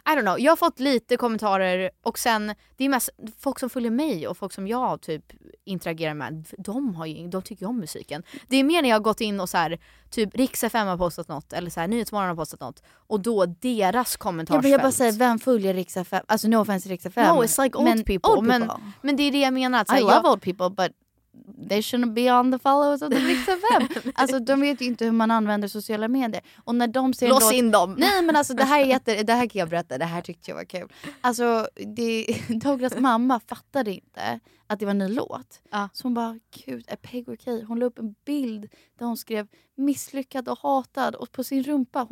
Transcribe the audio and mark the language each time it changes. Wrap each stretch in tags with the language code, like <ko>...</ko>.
<en>I don't know,</en> <sv>jag har fått lite kommentarer. Och sen, det är mest folk som följer mig och folk som jag typ interagerar med, de har ju, de tycker om musiken. Det är mer när jag har gått in och så här, typ Riks FM har postat något eller så här Nyhetsmorgon har postat något och då deras kommentarsfält. Jag bara säger, vem följer Riks FM? Alltså</sv> <en>no offense</en> <sv>Riks FM.</sv> <en>No, it's like old,</en> <sv>men, people. Men det är det jag menar. Så här,</sv> <en>I love old people, but they shouldn't be on the followers of the Riks FM.</en> <sv>Alltså de vet ju inte hur man använder sociala medier. Och när de ser lås in dem. Nej, men alltså det här är jätte, det här kan jag berätta, det här tyckte jag var kul. Alltså det, Douglas mamma fattade inte att det var en ny låt. Ja. Så hon bara, gud, är Peggy okej? Hon la upp en bild där hon skrev misslyckad och hatad och på sin rumpa.</sv>